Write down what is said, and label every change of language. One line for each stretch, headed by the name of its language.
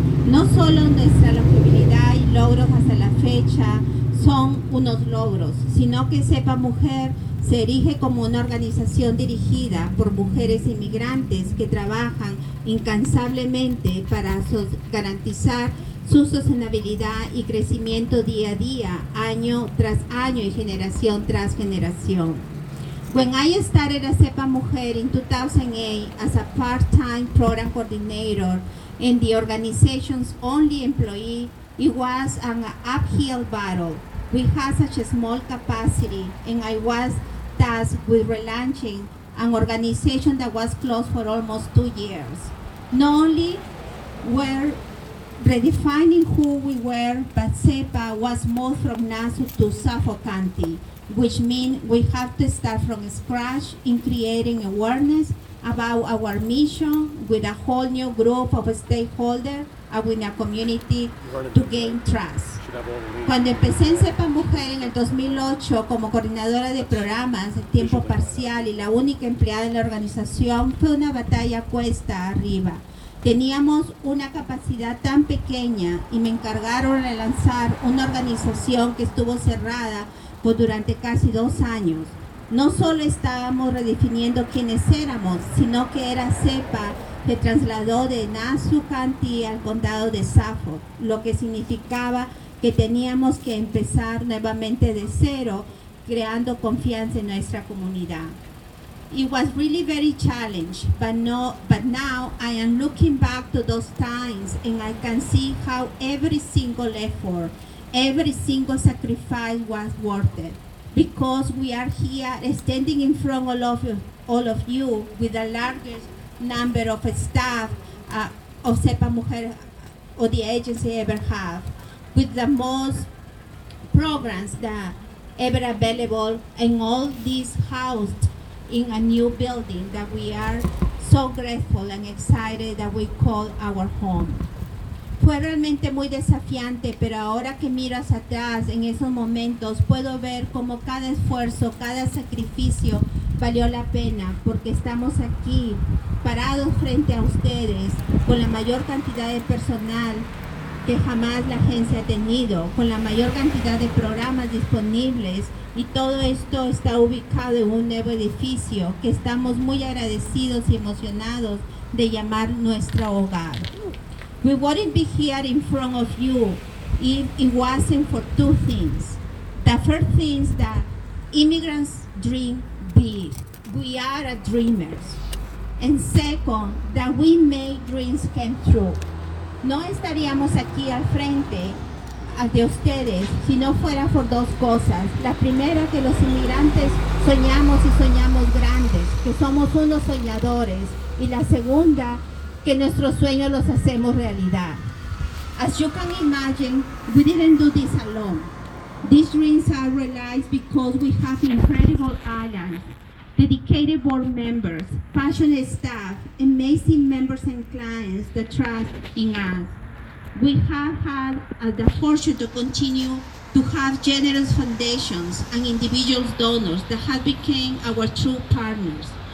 Spanish: No solo nuestra longevidad y logros hasta la fecha son unos logros, sino que SEPA Mujer se erige como una organización dirigida por mujeres inmigrantes que trabajan incansablemente para garantizar su sostenibilidad y crecimiento día a día, año tras año y generación tras generación.
English: When I started as SEPA Mujer in 2008 as a part-time program coordinator and the organization's only employee, it was an uphill battle. We had such a small capacity, and I was tasked with relaunching an organization that was closed for almost 2 years. Not only were redefining who we were, but SEPA was moved from Nassau to Suffolk County, which means we have to start from scratch in creating awareness about our mission with a whole new group of stakeholders and with a community to gain trust.
Spanish: Cuando empecé en CEPA Mujer en el 2008 como coordinadora de programas de tiempo parcial y la única empleada en la organización, fue una batalla cuesta arriba. Teníamos una capacidad tan pequeña y me encargaron de lanzar una organización que estuvo cerrada pues, durante casi 2 años. No solo estábamos redefiniendo quiénes éramos, sino que era CEPA se trasladó de Nassau County al condado de Suffolk, lo que significaba que teníamos que empezar nuevamente de cero, creando confianza en nuestra comunidad.
English: It was really very challenged, but now I am looking back to those times and I can see how every single effort, every single sacrifice was worth it. Because we are here standing in front of all of you with the largest number of staff of CEPA Mujer or the agency ever have, with the most programs that ever available and all this housed in a new building that we are so grateful and excited that we call our home.
Spanish: Fue realmente muy desafiante, pero ahora que miro hacia atrás en esos momentos, puedo ver cómo cada esfuerzo, cada sacrificio valió la pena, porque estamos aquí, parados frente a ustedes, con la mayor cantidad de personal que jamás la agencia ha tenido, con la mayor cantidad de programas disponibles, y todo esto está ubicado en un nuevo edificio que estamos muy agradecidos y emocionados de llamar nuestro hogar.
English: We wouldn't be here in front of you if it wasn't for 2 things. The first thing is that immigrants dream big. We are a dreamers. And second, that we make dreams come true.
Spanish: No estaríamos aquí al frente de ustedes si no fuera por 2 cosas. La primera, que los inmigrantes soñamos y soñamos grandes, que somos unos soñadores. Y la segunda, que nuestros sueños los hacemos realidad.
English: As you can imagine, we didn't do this alone. These dreams are realized because we have incredible allies, dedicated board members, passionate staff, amazing members and clients that trust in us. We have had the fortune to continue to have generous foundations and individual donors that have become our true partners.